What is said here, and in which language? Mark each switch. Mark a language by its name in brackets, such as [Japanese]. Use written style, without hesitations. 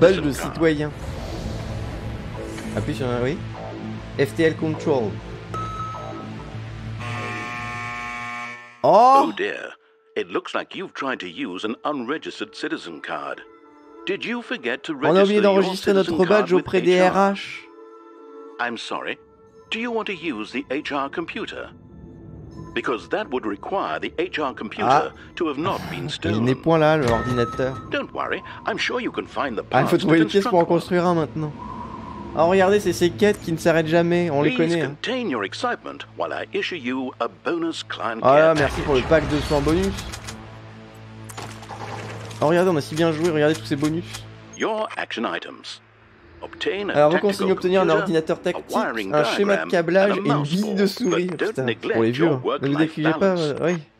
[French] Badge de citoyen. Appuie sur un oui. [English] FTL control. Oh! Oh dear, it looks like you've tried to use an unregistered citizen card. Did you forget to register your citizen card with HR? [French] On a oublié d'enregistrer notre badge auprès des RH. [English] I'm sorry. Do you want to use the HR computer? Because that would require the HR computer to have not been stolen. [French] Il n'est point là l'ordinateur. [English] Don't worry, I'm sure you can find the parts. [French] Il faut trouver une pièce pour en construire un maintenant. Oh, regardez, c'est ces quêtes qui ne s'arrêtent jamais, on les connaît. [English] Contain your excitement while I issue you a bonus client [French] care. Ah, merci pour le pack de soins bonus. Oh regardez, on a si bien joué, regardez tous ces bonus. [English] Your action items. [French] Alors, vous consignez obtenir un ordinateur tactique, un schéma de câblage et une bille de souris. Putain, pour les vieux, ne vous négligez pas, oui.